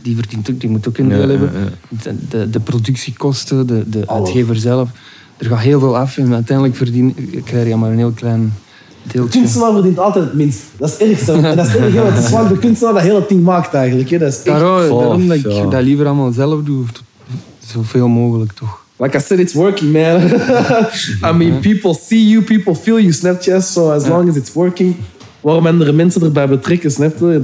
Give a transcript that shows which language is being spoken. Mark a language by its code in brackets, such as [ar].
[nl] Die verdient ook, die moet ook een deel hebben. De productiekosten, de uitgever zelf. Er gaat heel veel af en uiteindelijk krijg je maar een heel klein... deeltje. De kunstenaar verdient altijd het minst. Dat is erg zo. En dat is erg, want het is vaak de kunstenaar dat hele ding maakt eigenlijk. Dat is echt... Daarom dat ik dat liever allemaal zelf doe. Zoveel mogelijk toch. [en] Like I said, it's working, man. I mean, people see you, people feel you, Snapchat. So as long as it's working. [nl] Waarom andere mensen erbij betrekken, snap je?